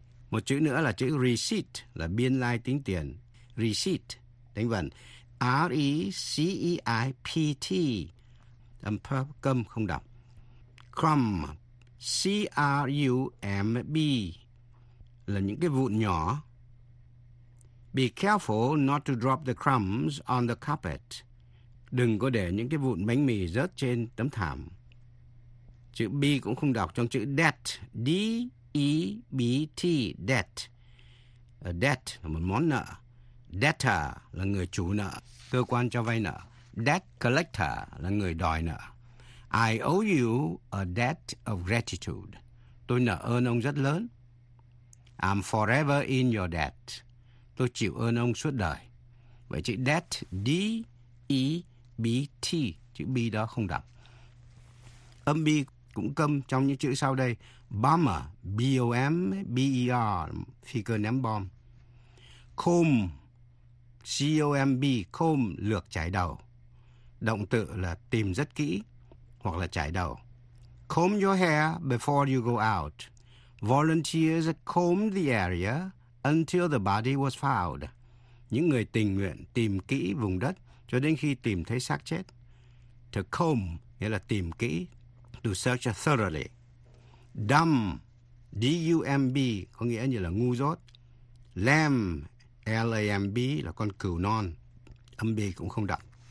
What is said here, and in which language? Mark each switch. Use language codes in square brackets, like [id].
[vi] Một chữ nữa là chữ receipt là biên lai tính tiền. Receipt, đánh vần. R-E-C-E-I-P-T, âm phơ, câm không đọc. Crumb, C-R-U-M-B, là những cái vụn nhỏ. [en] Be careful not to drop the crumbs on the carpet. [vi] Đừng có để những cái vụn bánh mì rớt trên tấm thảm. Chữ B cũng không đọc trong chữ debt, D-E-B-T, debt. A debt là một món nợ. Debtor là người chủ nợ, cơ quan cho vay nợ. Debt collector là người đòi nợ. [en] I owe you a debt of gratitude. [vi] Tôi nợ ơn ông rất lớn. [en] I'm forever in your debt. [vi] Tôi chịu ơn ông suốt đời. Vậy chữ debt, D-E-B-T, chữ B đó không đọc. Âm B cũng câm trong những chữ sau đây. Bomber, B-O-M-B-E-R, phi cơ ném bom. Comb, C-O-M-B, comb, lược chải đầu. Động từ là tìm rất kỹ hoặc là chải đầu. [en] Comb your hair before you go out. Volunteers combed the area until the body was found. [vi] Những người tình nguyện tìm kỹ vùng đất cho đến khi tìm thấy xác chết. [en] To comb [vi] nghĩa là tìm kỹ. [en] To search thoroughly. [vi] Dumb, D-U-M-B, có nghĩa như là ngu dốt. Lamb, L-A-M-B là con cừu non. Âm B cũng không đọc.